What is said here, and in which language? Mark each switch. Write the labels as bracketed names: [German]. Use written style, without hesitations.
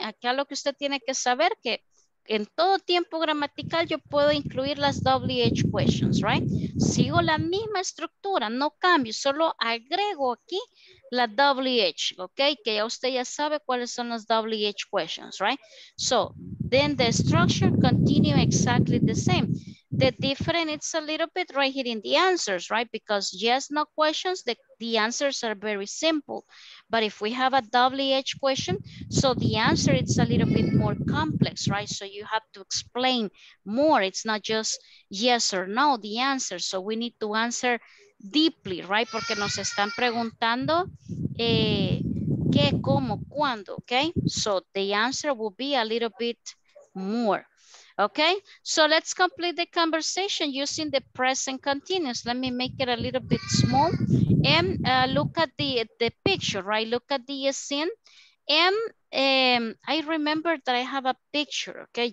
[Spanish] Aquí lo que usted tiene que saber que en todo tiempo gramatical yo puedo incluir las WH questions, right? Sigo la misma estructura, no cambio, solo agrego aquí la WH, okay? Que ya usted ya sabe cuáles son las WH questions, right? [English] So, then the structure continue exactly the same. The difference is a little bit right here in the answers, right? Because yes, no questions, the answers are very simple. But if we have a WH question, so the answer is a little bit more complex, right? So you have to explain more. It's not just yes or no, the answer. So we need to answer deeply, right? [Spanish] Porque nos están preguntando qué, cómo, cuándo, okay? [English] So the answer will be a little bit more. Okay, so let's complete the conversation using the present continuous. Let me make it a little bit small. And look at the picture, right? Look at the scene. And I remember that I have a picture, okay?